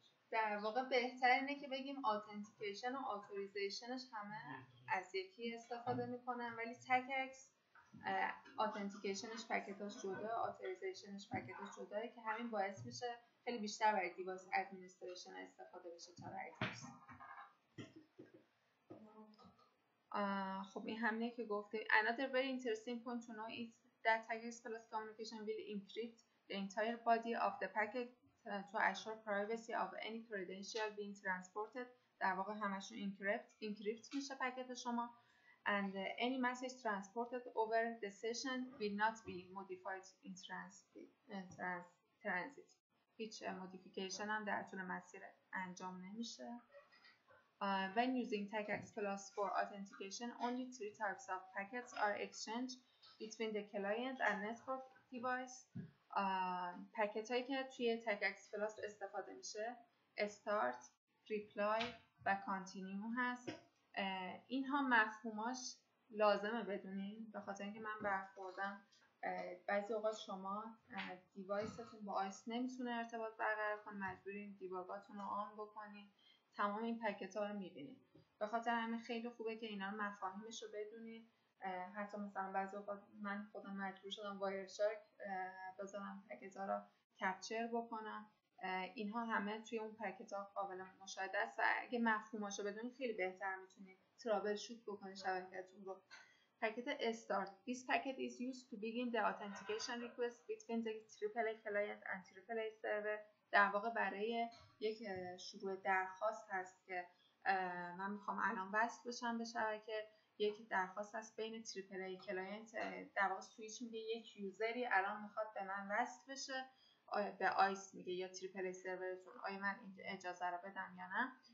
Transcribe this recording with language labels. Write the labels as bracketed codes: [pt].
[fa] در واقع بهتر اینه که بگیم اتنتیکیشن و اتوریزیشنش همه از یکی استفاده میکنن، ولی تک اکس اتنتیکیشنش پکتاش جداه، اتوریزیشنش پکتاش جداه که همین باعث میشه خیلی بیشتر برای دیواز ادمنستریشن استفاده بشه تا برای دیواز. خب این همینه که گفته. [en] Another very interesting point to know is that tech x plus communication will encrypt the entire body of the packet to assure privacy of any credential being transported. [fa] در واقع همشون encrypt میشه پکت شما. [en] And any message transported over the session will not be modified in transit. [fa] هیچ modification هم در طول مسیر انجام نمیشه. [en] When using TechX Plus for authentication, only three types of packets are exchanged between the client and network device. [fa] پکت هایی که توی تک اکس پلاس استفاده میشه استارت، ریپلای و کانتینیو هست. اینها مفهوماش لازمه بدونین به خاطر اینکه من برخوردم بعضی اوقات شما دیوایستون با آیس نمیتونه ارتباط برقرار کنه، مجبورین دیباگاتون رو آن بکنین، تمام این پکت ها رو میبینین. به خاطر همین خیلی خوبه که اینا رو مفاهیمش رو بدونین. حتی مثلا بعضی وقت من خودم مجبور شدم وایرشارک بذارم پکت ها را کپچر بکنم. اینها همه توی اون پکت ها قابل مشاهده است و اگه مفهوماشو بدونید خیلی بهتر میتونید ترابل شوت بکنید شبکه‌تون رو. پکت استارت. [en] This packet is used to begin the authentication request between the triple client and triple server. [fa] در واقع برای یک شروع درخواست هست که من میخوام الان وصل بشم به شبکه. یک درخواست هست بین تریپل ای کلاینت، در واقع سویچ میگه یک یوزری الان میخواد به من وصل بشه، به آیس میگه یا تریپل ای سرورتون آیا من اجازه رو بدم یا نه.